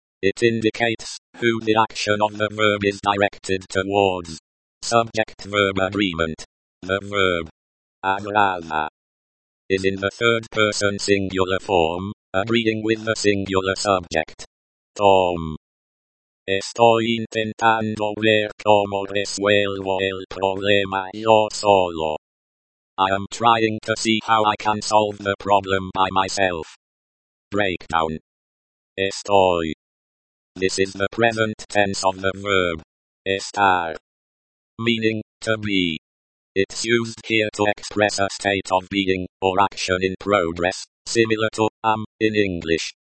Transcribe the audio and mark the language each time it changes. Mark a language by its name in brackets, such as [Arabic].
[English] It indicates who the action of the verb is directed towards. Subject-verb agreement. The verb agrada is in the third person singular form, agreeing with the singular subject. Tom. [Spanish] Estoy intentando ver cómo resuelvo el problema yo solo. [English] I am trying to see how I can solve the problem by myself. Breakdown. Estoy. This is the present tense of the verb estar, meaning to be. It's used here to express a state of being or action in progress, similar to am in English.